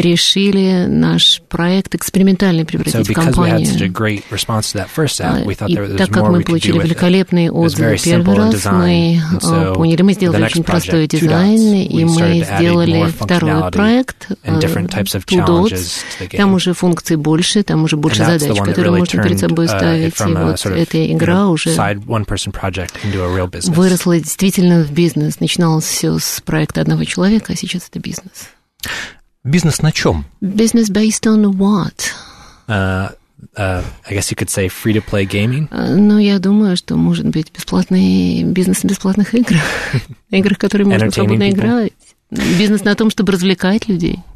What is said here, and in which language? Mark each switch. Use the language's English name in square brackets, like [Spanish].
[Russian] Решили наш проект экспериментальный превратить в компанию. [English] So because we had such a great response to that first app, we thought there was more we could do with it. [Russian] И так как мы получили великолепные отзывы первый раз, мы поняли, мы сделали очень простой дизайн, и мы сделали второй проект Tudots. Там уже функций больше, там уже больше задач, которые можно перед собой ставить. И вот эта игра уже выросла действительно в бизнес. Начиналось все с проекта одного человека, а сейчас это бизнес. Бизнес на чем? [English] Бизнес based on what? I guess you could say free-to-play gaming. [Russian] Ну, я думаю, что может быть бесплатный бизнес на бесплатных играх. Играх, которые можно свободно играть. Бизнес на том, чтобы развлекать людей.